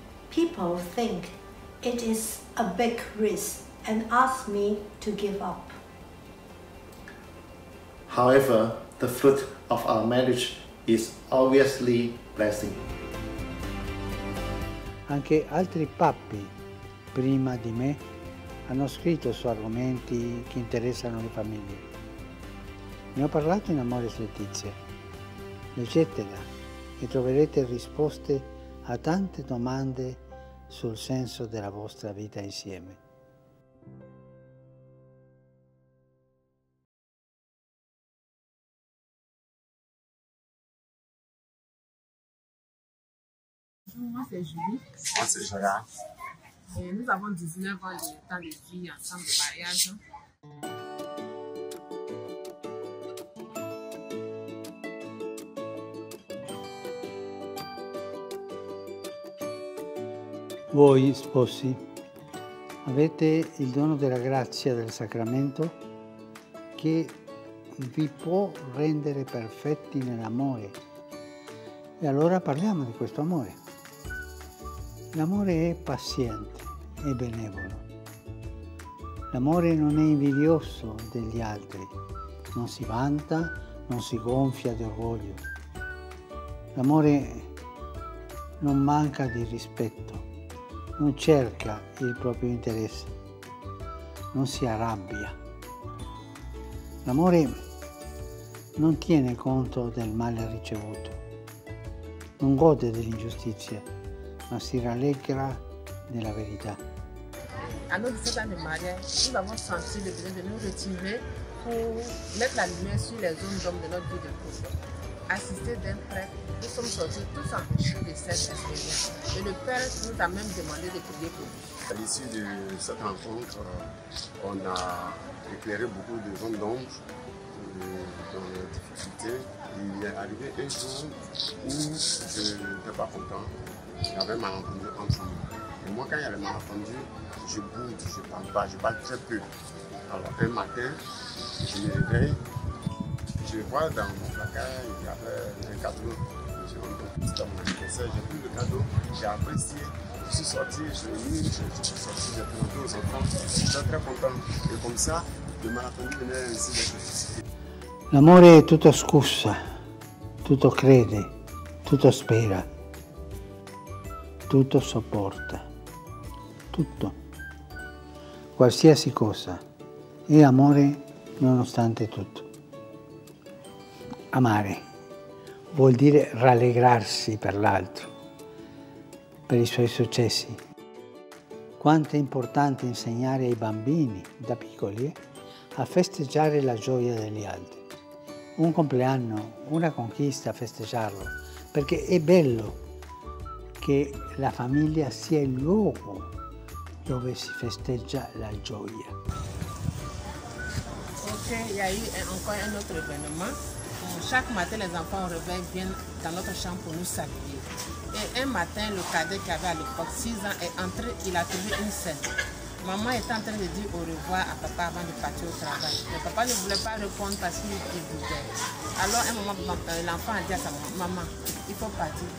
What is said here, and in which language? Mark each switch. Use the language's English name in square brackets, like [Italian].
[English] People think it is a big risk and ask me to give up. However, the fruit of our marriage is obviously blessing. [Italian] Anche altri papi prima di me hanno scritto su argomenti che interessano le famiglie. Ne ho parlato in Amore e Letizia. Leggetela e troverete risposte a tante domande sul senso della vostra vita insieme. [French] Moi, c'est Julie. Moi, c'est Gérard. Et nous avons 19 ans de temps de vie ensemble de mariage. [Italian] Voi, sposi, avete il dono della grazia del sacramento che vi può rendere perfetti nell'amore. E allora parliamo di questo amore. L'amore è paziente e benevolo. L'amore non è invidioso degli altri, non si vanta, non si gonfia di orgoglio. L'amore non manca di rispetto, non cerca il proprio interesse, non si arrabbia. L'amore non tiene conto del male ricevuto, non gode dell'ingiustizia, ma si rallegra della verità. [French] A nos 17 ans de mariage, nous avons senti le besoin de nous retirer pour mettre la lumière sur les zones d'ombre de notre vie de couple. Assisté d'un prêtre, nous sommes sortis tous enrichis de cette expérience. Et le père nous a même demandé de prier pour nous. À l'issue de cette rencontre, on a éclairé beaucoup de zones d'ombre dans les difficultés. Il est arrivé un jour où je n'étais pas content. J'avais mal entendu entre nous. Et moi, quand il y avait mal entendu, je boude, je ne parle pas, je parle très peu. Alors, un matin, je me réveille, je vois dans mon placard, il y avait un cadeau. J'ai un peu de mon anniversaire, j'ai pris le cadeau, j'ai apprécié. Je suis sorti, je l'ai mis, je suis sorti, j'ai présenté aux enfants. Je suis très content. Et comme ça, le mal entendu venait ainsi d'être justifié. [Italian] L'amore è tutto scusa, tutto crede, tutto spera. Tutto sopporta, tutto, qualsiasi cosa, e amore nonostante tutto. Amare vuol dire rallegrarsi per l'altro, per i suoi successi. Quanto è importante insegnare ai bambini, da piccoli, a festeggiare la gioia degli altri. Un compleanno, una conquista, festeggiarlo, perché è bello che la famiglia sia il luogo dove si festeggia la gioia. [French] Ok, il y a eu encore un [Italian] altro evento. [French] Chaque matin, les enfants au réveil viennent dans notre chambre pour nous saluer. Et un matin, le cadet qui avait à l'époque 6 ans est entré, il a trouvé une scène. Maman était en train de dire au revoir à papa avant de partir au travail. Mais papa ne voulait pas répondre parce qu'il voulait. Alors, un moment, l'enfant a dit à sa maman, « Maman, il faut partir.